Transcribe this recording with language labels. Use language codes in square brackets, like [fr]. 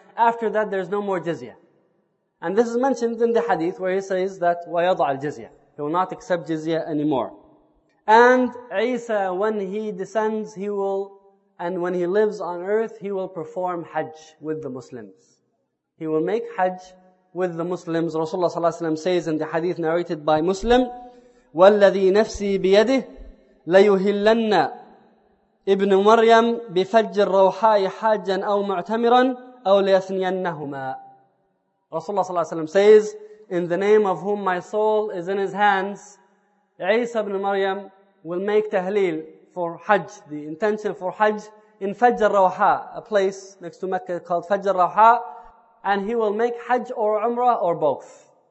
[en] After that, there's no more jizya. And this is mentioned in the hadith where he says that [ar] وَيَضَعَ الْجِزْيَةَ. [en] He will not accept jizya anymore. And Isa, when he descends, he will, and when he lives on earth, he will perform hajj with the Muslims. He will make hajj with the Muslims. Rasulullah sallallahu alayhi wa sallam says in the hadith narrated by Muslim, [ar] وَالَّذِي نَفْسِي بِيَدِهِ لَيُهِلَّنَّ إِبْنُ مَرْيَمْ بِفَجِّ الرَّوْحَاءِ حَاجًا أَوْ مُعْتَمِرًا أَوْ لَيَثْنِيَنَّهُمَا. [en] Rasulullah sallallahu alayhi wa sallam says, in the name of whom my soul is in his hands, Isa ibn Maryam will make tahleel for hajj, the intention for hajj, in Fajr al-Rawha, a place next to Mecca called Fajr al-Rawha, and he will make hajj or umrah or both.